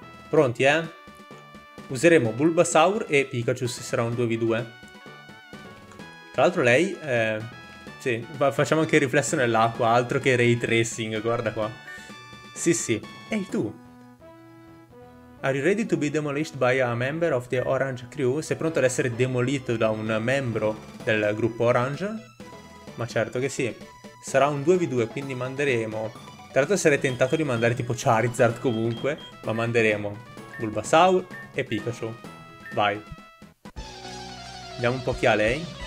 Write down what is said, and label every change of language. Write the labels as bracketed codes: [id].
[it] Pronti, eh? Useremo Bulbasaur e Pikachu se sarà un 2v2. Tra l'altro lei... sì, facciamo anche il riflesso nell'acqua, altro che ray tracing, guarda qua. Sì. Ehi tu! [en] Are you ready to be demolished by a member of the Orange Crew? [it] Sei pronto ad essere demolito da un membro del gruppo Orange? Ma certo che sì. Sarà un 2v2, quindi manderemo. Tra l'altro sarei tentato di mandare tipo Charizard comunque, ma manderemo Bulbasaur e Pikachu. Vai. Vediamo un po' chi ha lei.